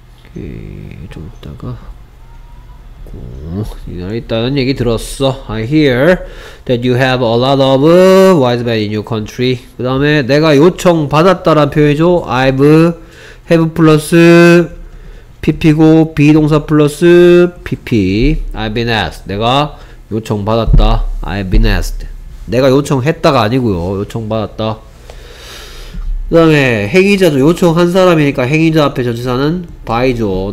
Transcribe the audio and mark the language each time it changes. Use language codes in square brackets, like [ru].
[ko] 오케이, 좀 있다가 일단은 얘기 들었어. [en] I hear that you have a lot of wise men in your country. [ko] 그 다음에 내가 요청 받았다란 표현이죠. [en] I've have plus PP고 be 동사 plus PP. I've been asked. [ko] 내가 요청 받았다. [en] I've been asked. [ko] 내가 요청했다가 아니고요. 요청 받았다. 그 다음에 행위자도 요청한 사람이니까 행위자 앞에 전치사는 by죠.